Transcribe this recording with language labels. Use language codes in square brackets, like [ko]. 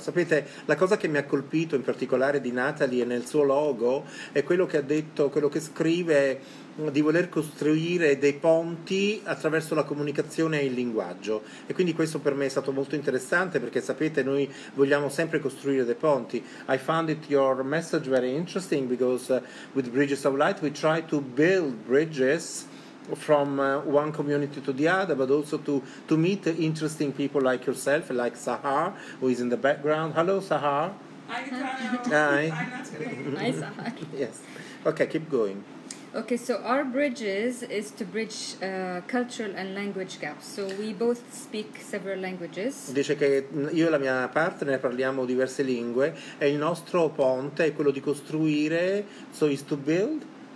[it] Sapete, la cosa che mi ha colpito in particolare di Natalie e nel suo logo è quello che ha detto, quello che scrive, di voler costruire dei ponti attraverso la comunicazione e il linguaggio. E quindi questo per me è stato molto interessante, perché sapete, noi vogliamo sempre costruire dei ponti. [en] I found it your message very interesting because with Bridges of Light we try to build bridges from one community to the other, but also to meet interesting people like yourself, like Sahar, who is in the background. Hello, Sahar. Hi, Natalie. Hi, Sahar. Yes. Okay, keep going. Okay, so our bridges is to bridge cultural and language gaps. So we both speak several languages. [it] Dice che io e la mia partner parliamo diverse lingue, e il nostro ponte è quello di costruire, [en] so is to build.